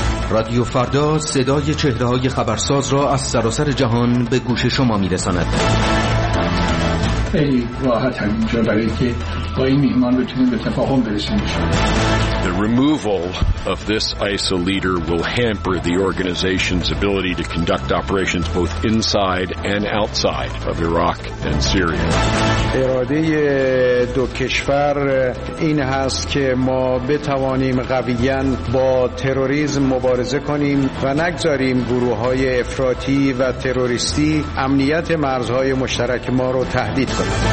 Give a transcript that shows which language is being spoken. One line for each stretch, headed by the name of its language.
Persian: رادیو فردا صدای چهره‌های خبرساز را از سراسر جهان به گوش شما می‌رساند. خیلی راحت اینجا برای که با این میهمان بتونیم به تفاهم برسیم.
English: The removal of this ISIL leader will hamper the organization's ability to conduct operations both inside and outside of Iraq and Syria.
Persian: اراده دو کشور این هست که ما بتوانیم قویاً با تروریسم مبارزه کنیم و نگذاریم گروه‌های افراطی و تروریستی امنیت مرزهای مشترک ما رو تهدید کنند.